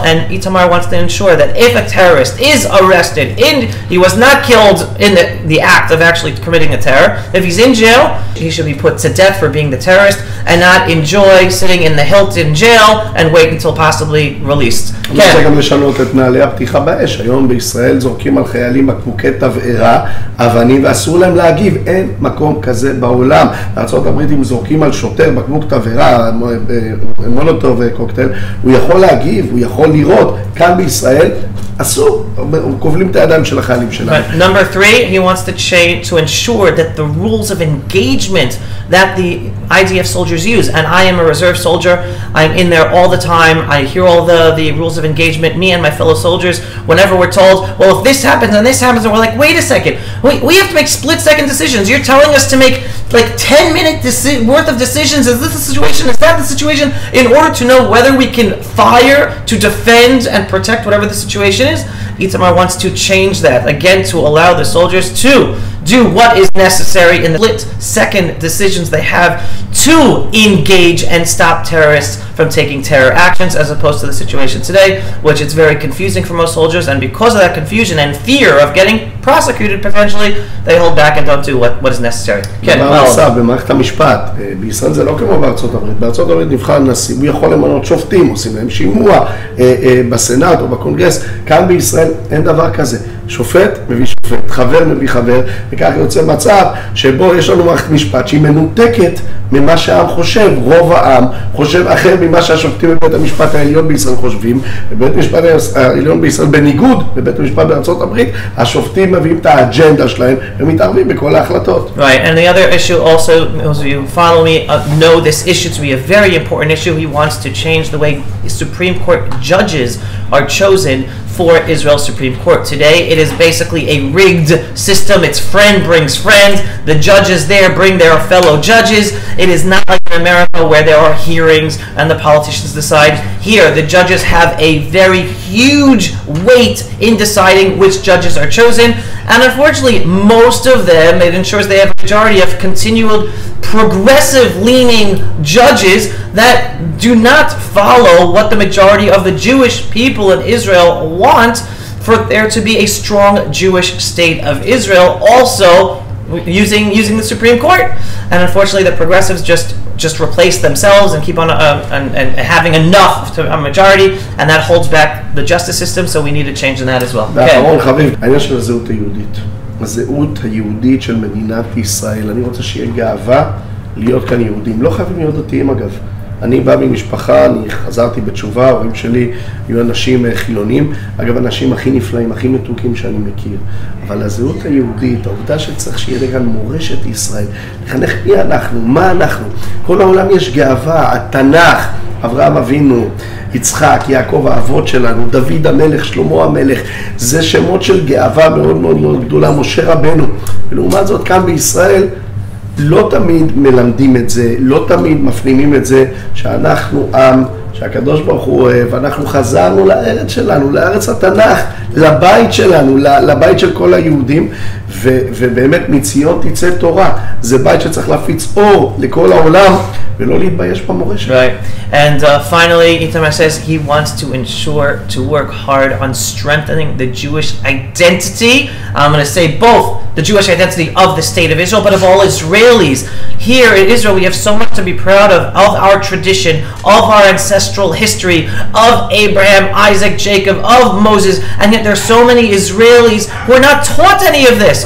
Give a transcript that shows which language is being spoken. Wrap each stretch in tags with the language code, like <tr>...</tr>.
<en>And Itamar wants to ensure that if a terrorist is arrested, and he was not killed in the act of actually committing a terror, if he's in jail, he should be put to death for being the terrorist and not enjoy sitting in the Hilton jail and wait until possibly released.</en> <he>אני רוצה גם לשנות את נעלי הפתיחה באש. היום בישראל זורקים על חיילים בקבוקי תבערה, אבנים, ואסור להם להגיב. אין מקום כזה בעולם. בארצות הברית, אם זורקים על שוטר בקבוק תבערה, מולוטוב וקוקטייל, הוא יכול להגיב, הוא יכול לראות. כאן בישראל, אסור. כובלים את הידיים של החיילים שלנו.</he> <en>But number three, he wants to change to ensure that the rules of engagement that the IDF soldiers use, and I am a reserve soldier, I'm in there all the time, I hear all the rules of engagement, me and my fellow soldiers, whenever we're told, well, if this happens and this happens, and we're like, wait a second, we have to make split-second decisions, you're telling us to make like 10-minute worth of decisions, is this the situation, is that the situation, in order to know whether we can fire to defend and protect whatever the situation is. Itamar wants to change that, again, to allow the soldiers to do what is necessary in the split-second decisions they have to engage and stop terrorists from taking terror actions, as opposed to the situation today, which is very confusing for most soldiers, and because of that confusion and fear of getting prosecuted potentially, they hold back and don't do what is necessary.</en> <he>במערכת המשפט, בישראל זה לא כמו בארצות הברית. בארצות הברית נבחר נשיא, הוא יכול למנות שופטים, עושים להם שימוע בסנאט או בקונגרס. כאן בישראל אין דבר כזה. שופט מביא שופט, חבר מביא חבר, וכך יוצא מצב שבו יש לנו מערכת משפט שהיא מנותקת ממה שהעם חושב. רוב העם חושב אחר ממה שהשופטים בבית המשפט העליון בישראל חושבים, ובית המשפט העליון בישראל, בניגוד לבית המשפט בארצות הברית, השופטים מביאים את האג'נדה שלהם ומתערבים בכל ההחלטות.</he> <en>Right, and the other issue also, those of you who follow me know this issue to be a very important issue. He wants to change the way Supreme Court judges are chosen for Israel's Supreme Court. Today, it is basically a rigged system. It's friend brings friend. The judges there bring their fellow judges. It is not like in America where there are hearings and the politicians decide. Here, the judges have a very huge weight in deciding which judges are chosen. And unfortunately, most of them, it ensures they have a majority of continual progressive-leaning judges that do not follow what the majority of the Jewish people in Israel want for there to be a strong Jewish state of Israel, also using the Supreme Court. And unfortunately, the progressives just replace themselves and keep on and having enough to a majority, and that holds back the justice system, so we need a change in that as well.</en> <he>הזהות היהודית של מדינת ישראל. אני רוצה שיהיה גאווה להיות כאן יהודים. לא חייבים להיות דתיים אגב. אני בא ממשפחה, אני חזרתי בתשובה, הורים שלי היו אנשים חילונים. אגב, אנשים הכי נפלאים, הכי מתוקים שאני מכיר. אבל הזהות היהודית, העובדה שצריך שיהיה לכאן מורשת ישראל, לחנך מי אנחנו, מה אנחנו. כל העולם יש גאווה, התנ"ך, אברהם אבינו, יצחק, יעקב האבות שלנו, דוד המלך, שלמה המלך, זה שמות של גאווה מאוד מאוד מאוד גדולה, משה רבנו. ולעומת זאת, כאן בישראל לא תמיד מלמדים את זה, לא תמיד מפנימים את זה, שאנחנו עם, שהקדוש ברוך הוא אוהב, אנחנו חזרנו לארץ שלנו, לארץ התנ"ך, לבית שלנו, לבית של כל היהודים, ובאמת מציון תצא תורה. זה בית שצריך להפיץ אור לכל העולם, ולא להתבייש במורשת.</he> <en>Right. And finally, Itamar says he wants to ensure to work hard on strengthening the Jewish identity. I'm going to say both the Jewish identity of the state of Israel, but of all Israelis. Here in Israel, we have so much to be proud of our tradition, of our ancestral history, of Abraham, Isaac, Jacob, of Moses, and yet there are so many Israelis who are not taught any of this.</en>